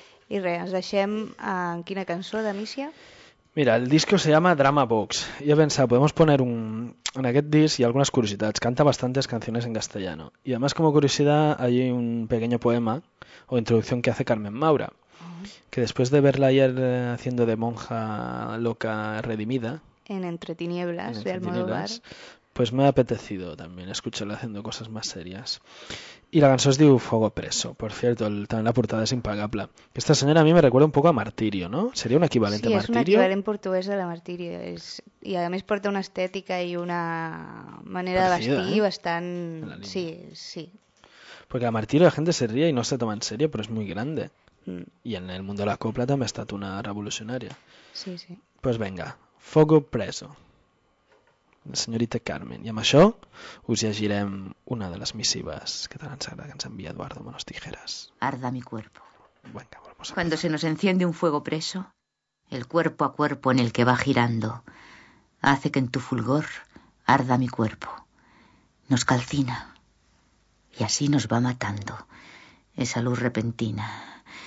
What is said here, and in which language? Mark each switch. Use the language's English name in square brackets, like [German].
[Catalan] I res, ens deixem en quina cançó de Mísia? [Spanish] Mira, el disco se llama Drama Box. Yo pensaba, podemos poner un... [Catalan] En aquest disc hi ha algunes curiositats. [Spanish] Canta bastantes canciones en castellano. Y además, como curiosidad, hay un pequeño poema o introducción que hace Carmen Maura. Uh-huh. Que después de verla ayer haciendo de monja loca redimida... En Entre Tinieblas, de Almodóvar. Pues me ha apetecido también escucharla haciendo cosas más serias. Y la canción es de Fuego Preso, por cierto, también la portada es impagable. Esta señora a mí me recuerda un poco a Martirio, ¿no? ¿Sería un equivalente sí, a Martirio? Sí, es un equivalente portugués de la Martirio. Y además porta una estética y una manera parecida, de vestir ¿eh? Bastante... Sí, sí. Porque a Martirio la gente se ríe y no se toma en serio, pero es muy grande. Mm. Y en el mundo de la copla también ha estado una revolucionaria. Sí, sí. Pues venga, Fuego Preso. [Catalan] La senyorita Carmen. I amb això us llegirem una de les missives que tant ens agrada que ens envia Eduardo Manos Tijeras. [Spanish] Arda mi cuerpo. Venga, cuando se nos enciende un fuego preso, el cuerpo a cuerpo en el que va girando hace que en tu fulgor arda mi cuerpo. Nos calcina y así nos va matando esa luz repentina.